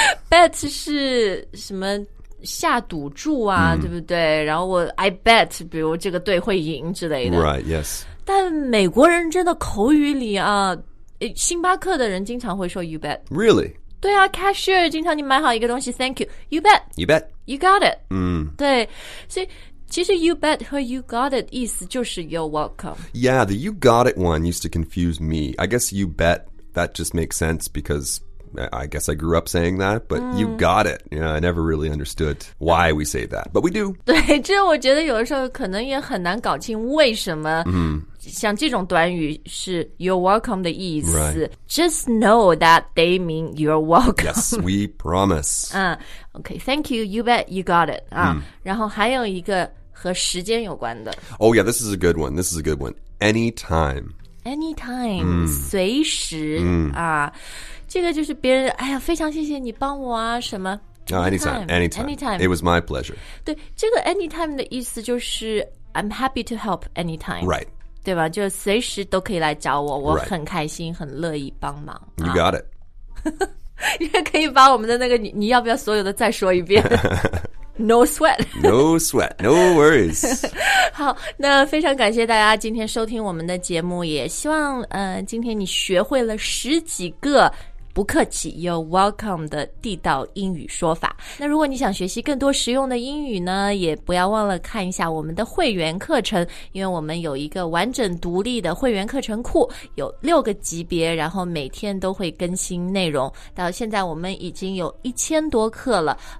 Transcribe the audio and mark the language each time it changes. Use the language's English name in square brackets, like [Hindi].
[Chinese] Bet 是什么下赌注啊、mm. 对不对然后我 [English] I bet [Chinese] 比如这个队会赢之类的 [English] Right, yes [Chinese] 但美国人真的口语里啊星巴克的人经常会说 [English] you bet Really? [Chinese] 对啊 cashier 经常你买好一个东西 [English] thank you You bet You bet You got it、 mm. [Chinese] 对所以其实 you bet 和 you got it 意思就是 [English] you're welcome Yeah, the you got it one used to confuse me I guess you bet that just makes sense becauseI guess I grew up saying that, but、mm. you got it. Yeah, I never really understood why we say that, but we do. [Chinese] 对，这我觉得有的时候可能也很难搞清为什么、 mm. 像这种短语是 [English] you're welcome [Chinese] 的意思、 [English] right. Just know that they mean you're welcome. Yes, we promise. Okay, thank you, you bet, you got it.、 [Chinese] 然后还有一个和时间有关的。 [English] Oh yeah, this is a good one. Anytime. Anytime,、mm. 随时、mm. [Chinese] 啊，这个就是别人哎呀，非常谢谢你帮我啊，什么、 [English] oh, anytime. It was my pleasure. [Chinese] 对，这个 anytime 的意思就是 [English] I'm happy to help anytime. Right. [Chinese] 对吧？就随时都可以来找我，我很开心，很乐意帮忙。 [English] Right. You got it. [Chinese] 你可以把我们的那个你要不要所有的再说一遍？ [English] No sweat. No sweat. No worries. [Chinese] 好那非常感谢大家今天收听我们的节目也希望、今天你学会了十几个不客气 [English] You're welcome [Chinese] 的地道英语说法那如果你想学习更多实用的英语呢也不要忘了看一下我们的会员课程因为我们有一个完整独立的会员课程库有六个级别然后每天都会更新内容到现在我们已经有1000多课了